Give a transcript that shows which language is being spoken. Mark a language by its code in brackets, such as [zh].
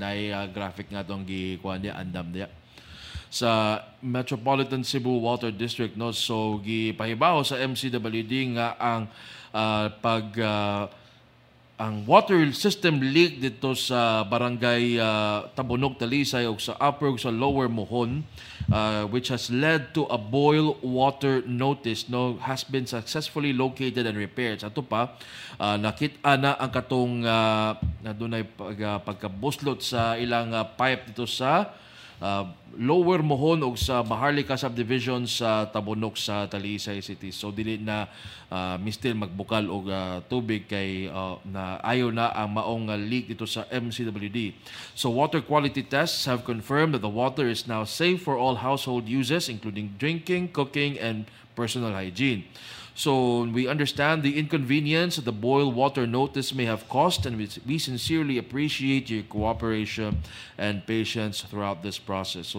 [ceb] Nay, graphic nga itong gikuha niya, andam niya. Sa Metropolitan Cebu Water District, no? [en] So, [ceb] gipahibaw sa MCWD nga ang pag [en] ang water system leak dito sa Barangay Tabunok, Talisay, o sa upper o sa lower Mohon, which has led to a boil water notice, no, has been successfully located and repaired. [ceb] Sa ito pa, nakita na ang katong doon ay pagkabuslot sa ilang pipe dito sa lower Mohon o sa Maharlika subdivision sa Tabunok sa Talisay City. So dili na mistil magbukal o tubig kay na ayaw na ang maong leak dito sa MCWD. [en] So water quality tests have confirmed that the water is now safe for all household uses including drinking, cooking, and personal hygiene. So we understand the inconvenience that the boil water notice may have caused, and we sincerely appreciate your cooperation and patience throughout this process.